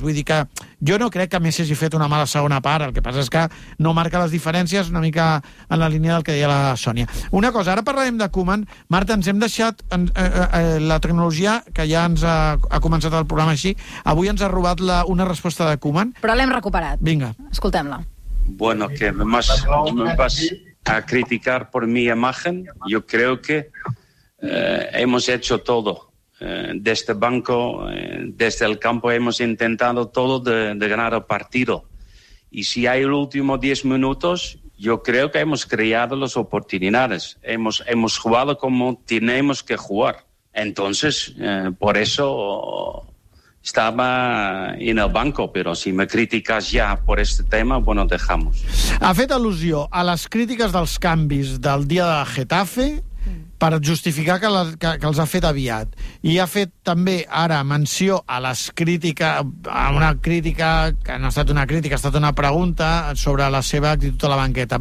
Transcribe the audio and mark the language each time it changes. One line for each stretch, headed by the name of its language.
Catalan: Vull dir que jo no crec que Messi hagi fet una mala segona part. El que passa és que no marca les diferències, una mica en la línia del que deia la Sònia. Una cosa, ara parlarem de Koeman. Marta, ens hem deixat la tecnologia, que ja ens ha començat el programa així. Avui ens ha robat una resposta de Koeman. Però l'hem recuperat. Vinga. Escoltem-la.
Spanish: Bueno, que me vas a criticar por mi imagen. Yo creo que hemos hecho todo. Desde banco, desde el campo, hemos intentado todo de ganar el partido. Y si hay el último 10 minutos, yo creo que hemos creado las oportunidades. Hemos jugado como tenemos que jugar. Entonces, por eso estaba en el banco, pero si me criticas ya por este tema, bueno, dejamos.
Catalan: Ha fet al·lusió a les crítiques dels canvis del dia de Getafe, per justificar que, que els ha fet aviat. I ha fet també ara menció a les crítiques, a una crítica que no ha estat una crítica, ha estat una pregunta sobre la seva actitud a la banqueta.